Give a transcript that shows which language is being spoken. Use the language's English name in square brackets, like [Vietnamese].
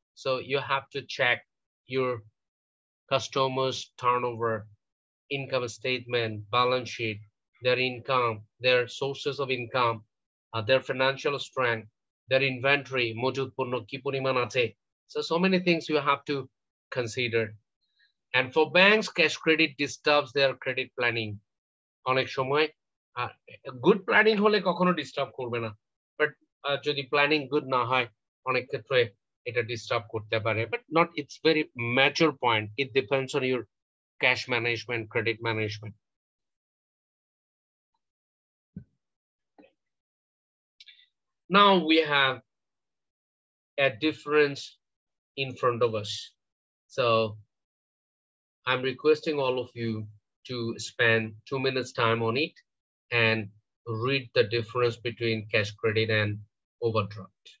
[English] So you have to check your customer's turnover, income statement, balance sheet, their income, their sources of income, their financial strength, their inventory, [Bangla] mojud purno ki poriman ache. [English] So many things you have to considered. And for banks, cash credit disturbs their credit planning. [Bangla] অনেক সময় good planning হলে কখনো disturb করবে না, but যদি planning good না হয় অনেক ক্ষেত্রে এটা disturb করতে পারে, [English] but not it's very mature point. It depends on your cash management, credit management. Now we have a difference in front of us. So I'm requesting all of you to spend 2 minutes time on it and read the difference between cash credit and overdraft.